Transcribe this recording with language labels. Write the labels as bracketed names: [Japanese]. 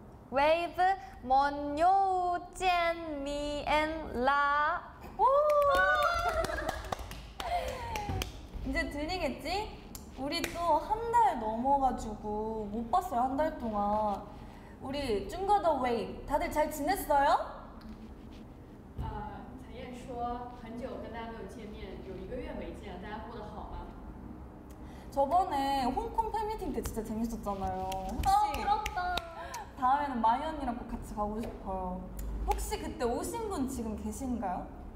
[Chinese] 웨이브 먼요 젠 미엔 라. 오! [Korean] 이제 들리겠지? 우리 또 한 달 넘어가지고 못 봤어요, 한 달 동안. 우리 중거 더 웨이 다들 잘 지냈어요? [Chinese] 才燕说很久跟大家没有见面有一个月没见大家过得好吗 [Korean] 저번에 홍콩 팬미팅 때 진짜 재밌었잖아요. 아, 부럽다. 다음에는 마이 언니랑 꼭 같이 가고 싶어요. 혹시 그때 오신 분 지금 계신가요?